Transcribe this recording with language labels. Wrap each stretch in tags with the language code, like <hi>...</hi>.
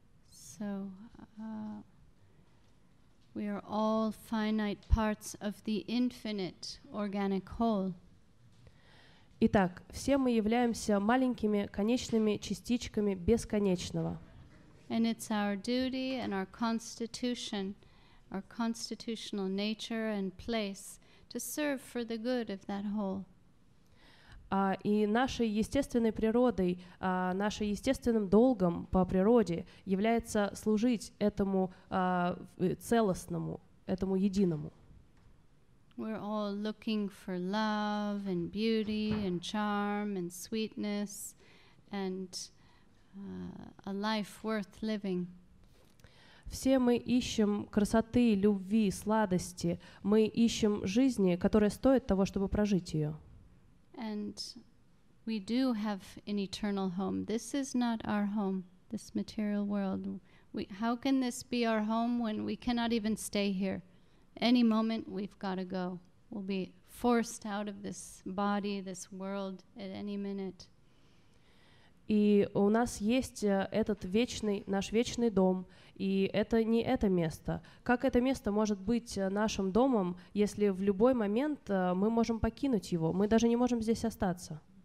<en>So, we are all finite parts of the infinite organic whole.</en> <ru>Итак, все мы являемся маленькими конечными частичками бесконечного.</ru> <en>And it's our duty and our constitution, our constitutional nature and place to serve for the good of that whole.</en> <ru>И нашей естественной природой, нашим естественным долгом по природе является служить этому целостному, этому единому.</ru> <en>We're all looking for love and beauty and charm and sweetness and a life worth living.</en> <ru>Все мы ищем красоты, любви, сладости. Мы ищем жизни, которая стоит того, чтобы прожить ее.</ru> <en>And we do have an eternal home. This is not our home, this material world. How can this be our home when we cannot even stay here? Any moment we've got to go. We'll be forced out of this body, this world at any minute.</en> <ru>И у нас есть этот вечный, наш вечный дом, и это не это место. Как это место может быть нашим домом, если в любой момент мы можем покинуть его? Мы даже не можем здесь остаться.</ru>